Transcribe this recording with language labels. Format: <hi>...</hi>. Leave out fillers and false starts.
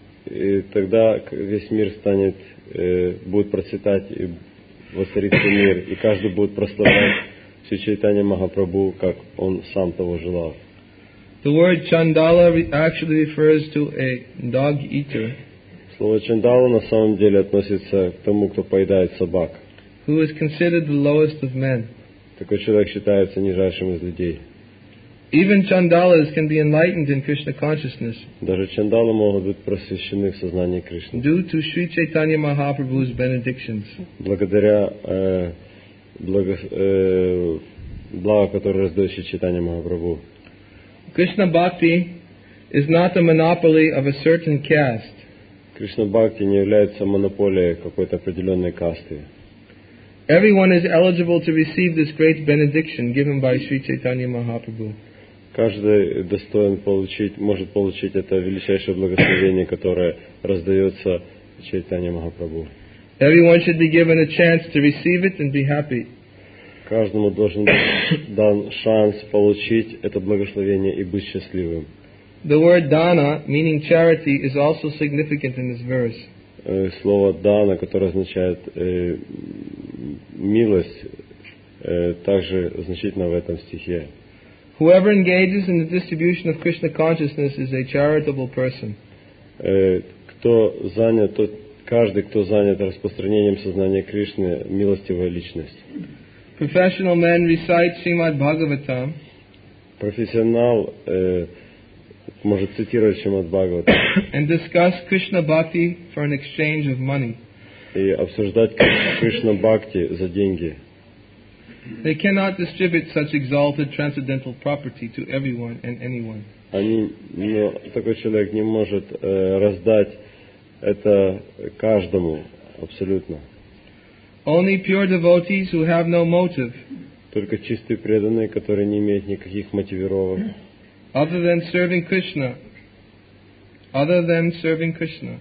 <ru>И тогда весь мир станет, будет процветать и воцарится мир, и каждый будет прославлять Шри Чайтанья Махапрабху, как он сам того желал.</ru> <en>The word chandala actually refers to a dog eater.</en> <ru>Слово чандала на самом деле относится к тому, кто поедает собак.</ru> <en>Who is considered the lowest of men.</en> <ru>Такой человек считается нижайшим из людей.</ru> <en>Even chandalas can be enlightened in Krishna consciousness.</en> <ru>Даже чандалы могут быть просвещены в сознании Кришны.</ru> <en>Due to Sri Chaitanya Mahaprabhu's benedictions.</en> <ru>Благодаря благо, которое раздает Шри Чайтанья Махапрабху.</ru> <en>Krishna bhakti is not a monopoly of a certain caste.</en> <ru>Krishna bhakti не является монополией какой-то определенной касты.</ru> <en>Everyone is eligible to receive this great benediction given by Sri Chaitanya Mahaprabhu.</en> <ru>Каждый достоин получить, может получить это величайшее благословение, которое раздается Чайтанья Махапрабху.</ru> <en>Everyone should be given a chance to receive it and be happy.</en> <ru>Каждому должен быть дан шанс получить это благословение и быть счастливым.</ru> <en>The word dana, meaning charity, is also significant in this verse.</en> <ru>Слово дана, которое означает милость, также значительно в этом стихе.</ru> <en>Whoever engages in the distribution of Krishna consciousness is a charitable person.</en> <ru>Кто занят, тот, каждый, кто занят распространением сознания Кришны, милостивая личность.</ru> <en>Professional men recite Srimad Bhagavatam.</en> <ru>Профессионал может цитировать Srimad Bhagavatam.</ru> <en>And discuss Krishna bhakti for an exchange of money.</en> <ru>И обсуждать Кришна бхакти за деньги.</ru> <en>They cannot distribute such exalted transcendental property to everyone and anyone.</en> <ru>они, ну, такой человек не может раздать это каждому абсолютно.</ru> <en>Only pure devotees who have no motive.</en> <ru>Только чистые преданные, которые не имеют никаких мотивировок.</ru> <en>Other than serving Krishna. Other than serving Krishna.</en>